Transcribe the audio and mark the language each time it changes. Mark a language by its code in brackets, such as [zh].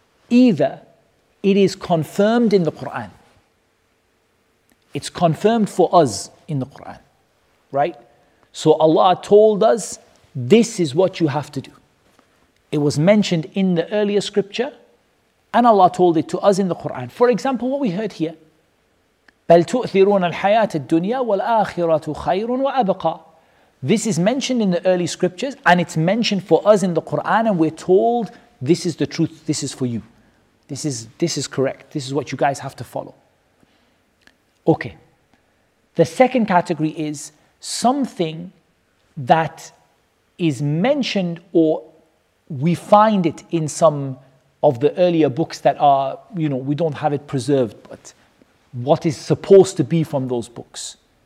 [en] Either it is confirmed in the Quran. It's confirmed for us in the Quran, right? So Allah told us, this is what you have to do. It was mentioned in the earlier scripture, and Allah told it to us in the Quran. For example, what we heard here, [ar] بَلْ تُؤْثِرُونَ الْحَيَاةَ الدُّنْيَا وَالْآخِرَةُ خَيْرٌ وَأَبْقَى. [en] This is mentioned in the early scriptures, and it's mentioned for us in the Quran, and we're told, this is the truth, this is for you. This is correct, this is what you guys have to follow. Okay. The second category is something that is mentioned, or we find it in some of the earlier books that are, we don't have it preserved, but what is supposed to be from those books.